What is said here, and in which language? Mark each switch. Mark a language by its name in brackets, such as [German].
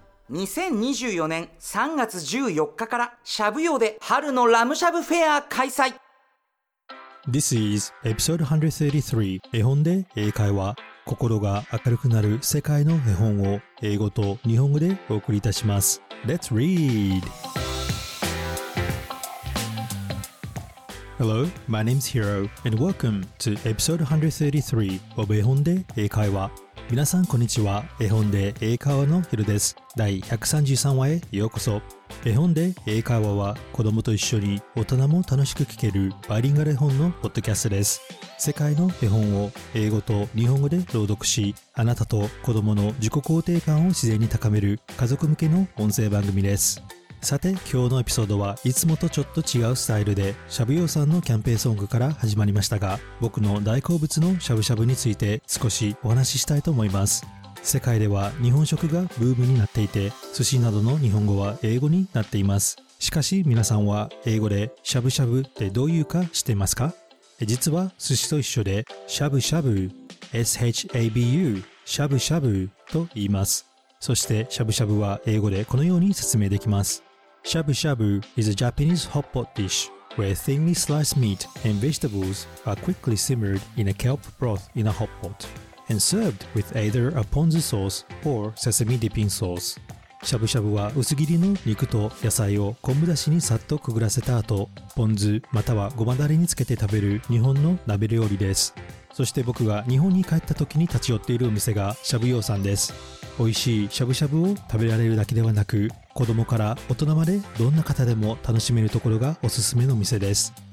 [Japanese] 2024年3月14日からシャブ用で春のラムシャブフェア開催。 [English] This is episode 133絵本で英会話。 [Japanese] 心が明るくなる世界の絵本を英語と日本語でお送りいたします。 [English] Let's read. Hello, my name is Hiro and welcome to episode 133 of 絵本で英会話。 [Japanese] 皆さんこんにちは。絵本で英会話のヒロです。第133話へようこそ。絵本で英会話は子供と一緒に大人も楽しく聞けるバイリンガル絵本のポッドキャストです。世界の絵本を英語と日本語で朗読し、あなたと子供の自己肯定感を自然に高める家族向けの音声番組です。さて今日のエピソードはいつもとちょっと違うスタイルでしゃぶ用さんのキャンペーンソングから始まりましたが、僕の大好物のしゃぶしゃぶについて少しお話ししたいと思います。世界では日本食がブームになっていて、寿司などの日本語は英語になっています。しかし皆さんは英語でしゃぶしゃぶってどういうか知っていますか？実は寿司と一緒でしゃぶしゃぶ SHABU しゃぶしゃぶと言います。そしてしゃぶしゃぶは英語でこのように説明できます。 [English] Shabu shabu is a Japanese hot pot dish where thinly sliced meat and vegetables are quickly simmered in a kelp broth in a hot pot and served with either a ponzu sauce or sesame dipping sauce. [Japanese] しゃぶしゃぶは薄切りの肉と野菜を昆布だしにさっとくぐらせた後、ポン酢またはごまだれにつけて食べる日本の鍋料理です。そして僕が日本に帰った時に立ち寄っているお店がしゃぶ用さんです。美味しいしゃぶしゃぶを食べられるだけではなく、子供から大人までどんな方でも楽しめるところがおすすめの店です。